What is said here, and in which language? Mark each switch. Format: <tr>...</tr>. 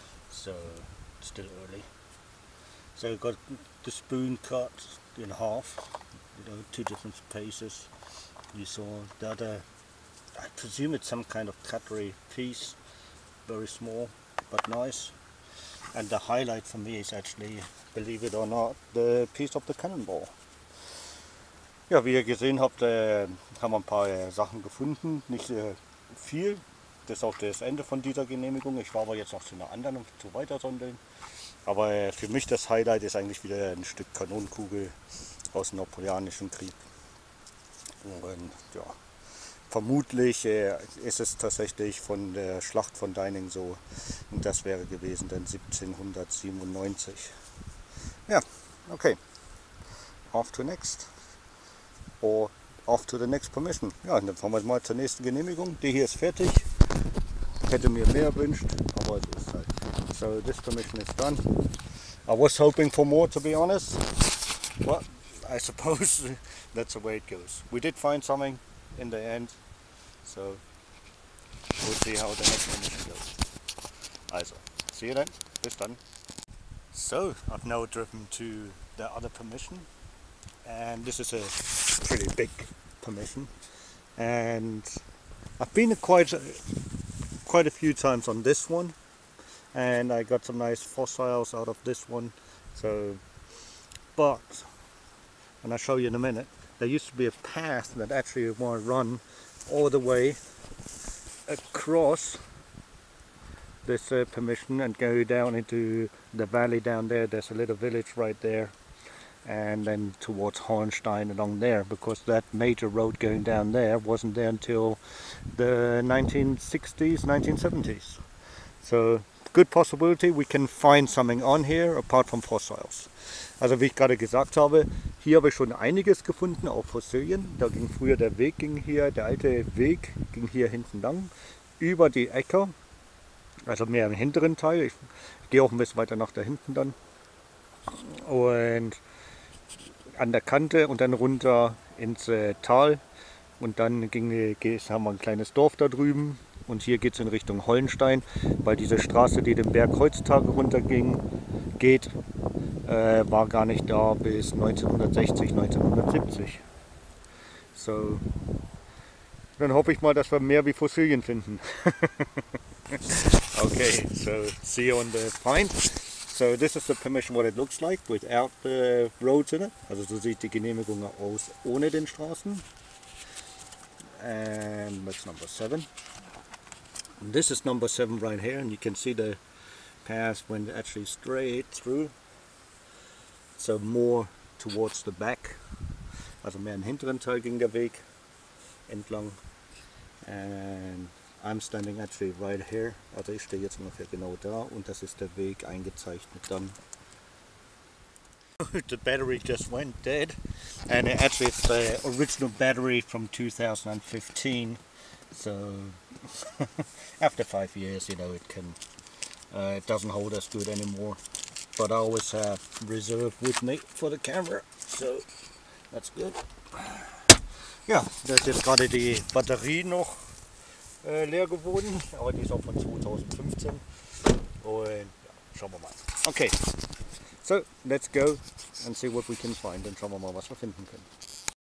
<en>So it's still early. So I've got the spoon cut in half, you know, two different pieces. You saw the other, I presume it's some kind of cutlery piece, very small but nice. And the highlight for me is actually, believe it or not, the piece of the cannonball.</en> <de>Ja, wie ihr gesehen habt, haben wir ein paar Sachen gefunden, nicht viel. Das ist auch das Ende von dieser Genehmigung. Ich war aber jetzt noch zu einer anderen, um zu weitersondeln. Aber für mich das Highlight ist eigentlich wieder ein Stück Kanonenkugel aus dem Napoleonischen Krieg. Und ja, vermutlich ist es tatsächlich von der Schlacht von Deining so. Und das wäre gewesen dann 1797. Ja, okay.</de> <en>Off to next. Or off to the next permission.</en> <de>Ja, dann fahren wir mal zur nächsten Genehmigung. Die hier ist fertig. Ich hätte mir mehr gewünscht, aber es ist halt.</de> <en>So, this permission is done. I was hoping for more, to be honest. But I suppose that's the way it goes. We did find something in the end. So, we'll see how the next permission goes. Also, see you then.</en> <de>Bis dann.</de> <en>So, I've now driven to the other permission. And this is a pretty big permission. And I've been quite a few times on this one. And I got some nice fossils out of this one. So, but, and I'll show you in a minute, there used to be a path that actually would run all the way across this permission and go down into the valley down there. There's a little village right there. And then towards Hornstein along there, because that major road going down there wasn't there until the 1960s, 1970s. So, good possibility we can find something on here apart from fossils.</en> <de>Also wie ich gerade gesagt habe, hier habe ich schon einiges gefunden, auch Fossilien. Da ging früher der Weg ging hier, der alte Weg ging hier hinten lang über die Äcker, also mehr im hinteren Teil. Ich gehe auch ein bisschen weiter nach da hinten dann und an der Kante und dann runter ins Tal und dann haben wir ein kleines Dorf da drüben. Und hier geht es in Richtung Hollenstein, weil diese Straße, die den Berg heutzutage runterging, geht, war gar nicht da bis 1960, 1970. So, dann hoffe ich mal, dass wir mehr wie Fossilien finden.</de> <en>Okay, so see you on the find. So this is the permission, what it looks like without the roads in it.</en> <de>Also so sieht die Genehmigung aus ohne den Straßen.</de> <en>And that's number 7. This is number 7 right here, and you can see the path went actually straight through. So more towards the back.</en> <de>Also mehr im hinteren Teil ging der Weg entlang.</de> <en>And I'm standing actually right here.</en> <de>Also ich stehe jetzt ungefähr genau da, und das ist der Weg eingezeichnet dann.</de> <en>The battery just went dead. And actually it's the original battery from 2015. So, after 5 years, you know, it can, it doesn't hold as good anymore. But I always have reserve with me for the camera, so that's good.</en> <de>Ja, da ist jetzt gerade die Batterie noch leer geworden, aber die ist auch von 2015. Und ja, schauen wir mal.</de> <en>Okay, so let's go and see what we can find and</en> <de>schauen wir mal, was wir finden können.</de>